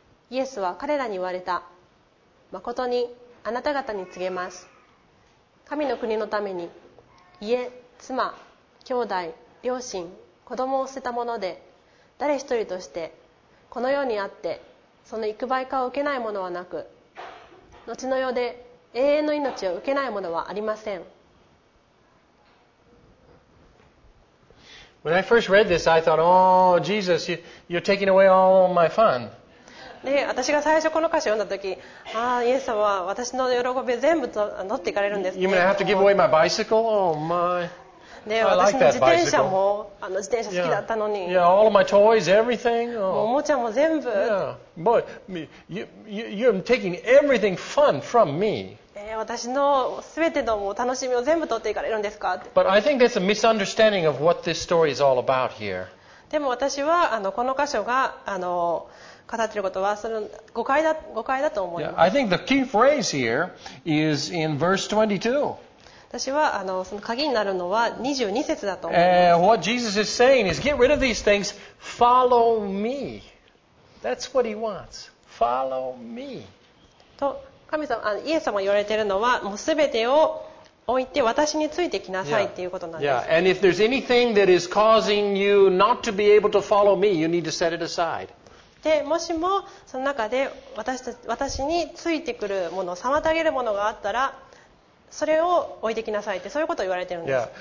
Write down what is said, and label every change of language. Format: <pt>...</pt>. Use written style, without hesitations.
<ja>イエスは彼らに言われた。まことにあなた方に告げます、神の国のために家、妻、兄弟、両親、子供を捨てた者で誰一人としてこの世にあってその幾倍かを受けない者はなく、後の世で永遠の命を受けない者はありません。</ja> <en>When I first read this, I thought, oh, Jesus, you're taking away all my fun.</en> <ja>で、私が最初この歌詞を読んだ時、ああ、イエス様は私の喜び全部取っていかれるんです。</ja> <en>You mean I have to give away my bicycle? Oh, my.</en> <ja>で、私の自転車も、自転車好きだったのに。</ja> <en>Yeah, all of my toys, everything.</en> <ja>おもちゃも全部。</ja> <en>Yeah, boy, you're taking everything fun from me.</en> <ja>私のすべての楽しみを全部取っていかれるんですか。</ja> <en>But I think that's a misunderstanding of what this story is all about here.</en> <ja>でも私はこの箇所が語っていることはその誤解だと思います。</ja> <en>Yeah, I think the key phrase here is in verse 22.</en> <ja>私はその鍵になるのは22節だと思います。</ja> <en>What Jesus is saying is get rid of these things, follow me. That's what he wants. Follow me.</en> <ja>と神様、イエス様が言われているのは、もうすべてを置いて私についてきなさいということなんです。</ja> <en>Yeah, and if there's anything that is causing you not to be able to follow me, you need to set it aside.</en> <ja>で、もしもその中で私についてくるもの、妨げるものがあったら、それを置いてきなさいって、そういうことを言われているんです。</ja>